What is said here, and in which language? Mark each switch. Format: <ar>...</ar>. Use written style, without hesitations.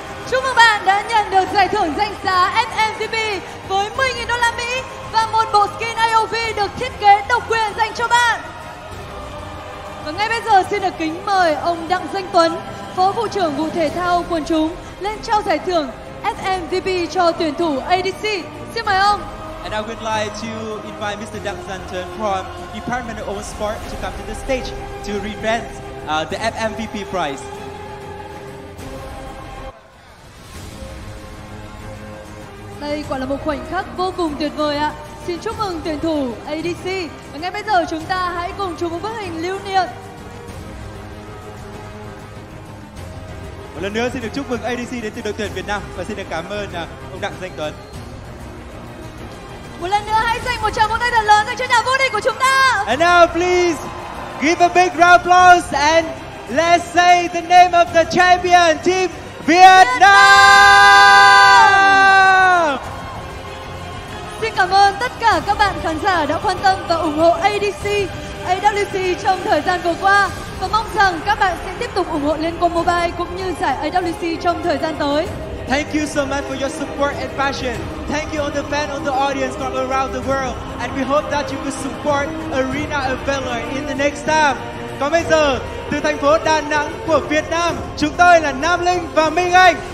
<vi>Chúc mừng bạn đã nhận được giải thưởng danh giá FMVP với 10.000 đô la Mỹ và một bộ skin AOV được thiết kế độc quyền dành cho bạn. Và ngay bây giờ xin được kính mời ông Đặng Danh Tuấn, Phó Vụ trưởng Vụ Thể thao Quần chúng lên trao giải thưởng FMVP cho tuyển thủ ADC. Xin mời ông.</vi> <en>And I would like to invite Mr. Đặng Danh Tuấn from Department of Sport to come to the stage to present the FMVP prize.</en> <vi>Đây quả là một khoảnh khắc vô cùng tuyệt vời ạ. Xin chúc mừng tuyển thủ ADC. Và ngay bây giờ chúng ta hãy cùng chụp một bức hình lưu niệm. Một lần nữa xin được chúc mừng ADC đến từ đội tuyển Việt Nam và xin được cảm ơn ông Đặng Danh Tuấn. Một lần nữa hãy dành một tràng vỗ tay thật lớn dành cho nhà vô địch của chúng ta.</vi> <en>And now please give a big round applause and let's say the name of the champion team Vietnam.</en> <vi>Xin cảm ơn tất cả các bạn khán giả đã quan tâm và ủng hộ ADC, AWC trong thời gian vừa qua và mong rằng các bạn sẽ tiếp tục ủng hộ Liên Quân Mobile cũng như giải AWC trong thời gian tới.</vi> <en>Thank you so much for your support and passion. Thank you all the fans, all the audience from around the world. And we hope that you could support Arena of Valor in the next time.</en> <vi>Còn bây giờ, từ thành phố Đà Nẵng của Việt Nam, chúng tôi là Nam Linh và Minh Anh.</vi>